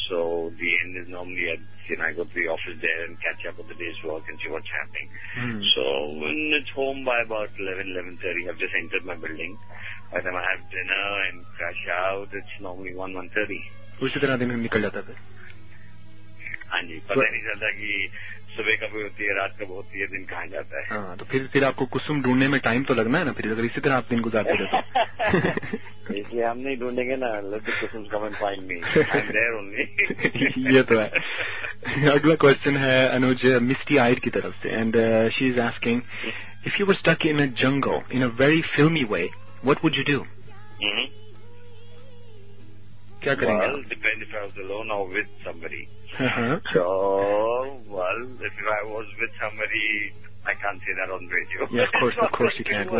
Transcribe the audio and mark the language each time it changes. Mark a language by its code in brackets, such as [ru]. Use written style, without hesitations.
[en] So the end is normally, I go to the office there and catch up with the day's work and see what's happening. So when it's home by about 11:30, I've just entered my building. By the time I have dinner and crash out, it's normally 1:30. [hi] उसी तरह दिन निकल जाता है. हाँ जी, पता नहीं चलता कि सुबह कभी होती है, रात कभी होती है, दिन कहाँ जाता है। हाँ, तो फिर आपको कुसुम ढूंढने में टाइम तो लगना है ना, फिर अगर इसी तरह आप दिन गुजारते रहते हो। इसलिए हम नहीं ढूंढेंगे ना, [en] Let the Kusum come and find me, there only. [hi] ये तो है। अगला क्वेश्चन है अनुज मिस्टी आइड की तरफ से, [en] And she is asking if you were stuck in a jungle in a very filmy way, what would you do? [hi] क्या करेंगे? [en] Well, depend if I was alone or with somebody. if I was with somebody, I can't say that on radio. Yeah, of course, of course you can.